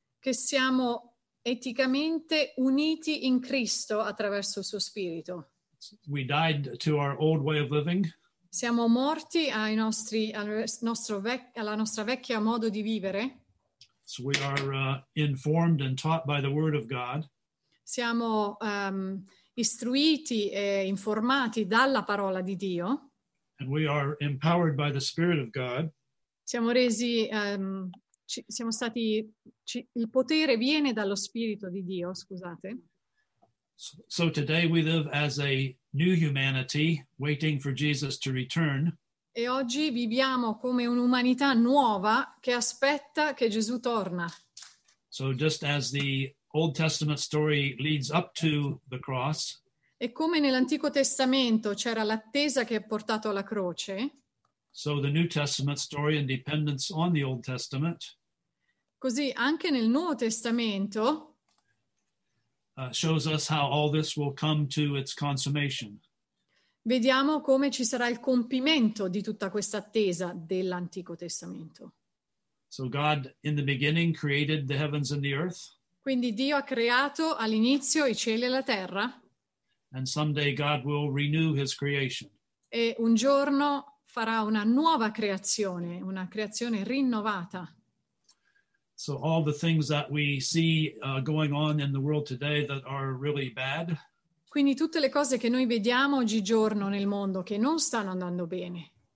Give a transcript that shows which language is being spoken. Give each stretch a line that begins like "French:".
Italian: Che siamo eticamente uniti in Cristo attraverso il suo Spirito.
English: We died to our old way of living.
Italian: Siamo morti ai nostri, alla nostra vecchia modo di vivere.
English: So we are informed and taught by the Word of God.
Italian: Siamo istruiti e informati dalla parola di Dio.
English: And we are empowered by the Spirit of God.
Italian: Siamo resi, siamo stati, il potere viene dallo Spirito di Dio, scusate.
English: So today we live as a new humanity, waiting for Jesus to return.
Italian: E oggi viviamo come un'umanità nuova che aspetta che Gesù torna.
English: So just as the Old Testament story leads up to the cross.
Italian: E come nell'Antico Testamento c'era l'attesa che ha portato alla croce.
English: So the New Testament story and dependence on the Old Testament.
Italian: Così anche nel Nuovo Testamento
English: shows us how all this will come to its consummation.
Italian: Vediamo come ci sarà il compimento di tutta questa attesa dell'Antico Testamento.
English: So God in the beginning created the heavens and the earth.
Italian: Quindi Dio ha creato all'inizio i cieli e la terra.
English: And someday God will renew his creation.
Italian: E un giorno farà una nuova creazione, una creazione rinnovata.
English: So all the things that we see going on in the world today that are really bad.
Italian: Quindi tutte le cose che noi vediamo oggigiorno nel mondo che non stanno andando bene.